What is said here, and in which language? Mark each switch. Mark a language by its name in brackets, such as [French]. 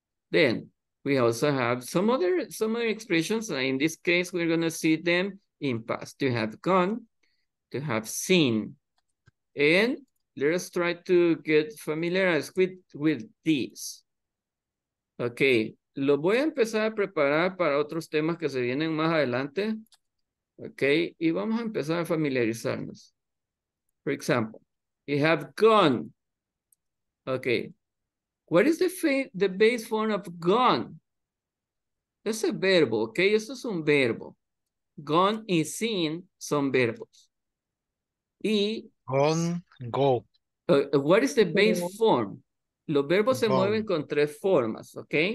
[English] Then we also have some other expressions. In this case, we're going to see them in past. To have gone, to have seen. And let us try to get familiarized with these. [Spanish] Okay, lo voy a empezar a preparar para otros temas que se vienen más adelante. Okay, y vamos a empezar a familiarizarnos. [English] For example, you have gone. Okay, what is the base form of gone? [Spanish] Es el verbo, okay, esto es un verbo. Gone y seen son verbos. Y [English] gone, go. What is the base form? [Spanish] Los verbos se mueven con tres formas, ¿ok?